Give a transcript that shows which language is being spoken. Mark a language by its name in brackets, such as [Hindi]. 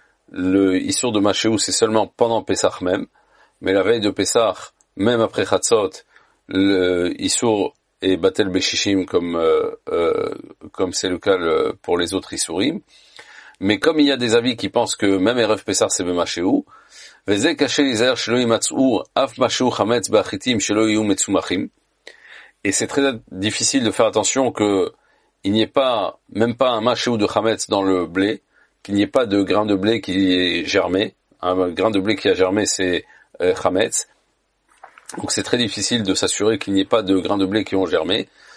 [French] le issur de Mashéou c'est seulement pendant Pessah même, mais la veille de Pessah, même après Chatzot, le issur est Batel Beshishim comme c'est le cas pour les autres issurim. Mais comme il y a des avis qui pensent que même Erev Pessah c'est Bemashéou, [Hebrew] וזה קשה להיזהר שלא ימצאו אף משהו חמץ באחיתים שלא יהיו מצומחים. [French] Et c'est très difficile de faire attention que il n'y ait pas, même pas un machou de chametz dans le blé, qu'il n'y ait pas de grain de blé qui est germé. Un grain de blé qui a germé, c'est chametz. Donc c'est très difficile de s'assurer qu'il n'y ait pas de grains de blé qui ont germé.